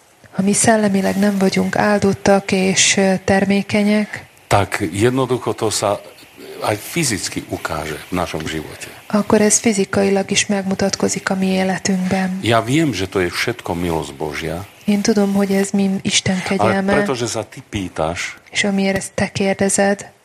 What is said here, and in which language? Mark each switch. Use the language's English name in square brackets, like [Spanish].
[Hungarian] ha mi szellemileg nem vagyunk áldottak és termékenyek, [Slovak] tak jednoducho to sa aj fyzicky ukáže v našom živote. [Hungarian] Akkor ez fizikailag is megmutatkozik a mi életünkben. [Slovak] Ja viem, že to je všetko milosť Božia. [Hungarian] Én tudom, hogy ez mi Isten kegyelme. [Slovak] Ale pretože sa ty pýtaš, [Hungarian] és amiért ezt te kérdezed,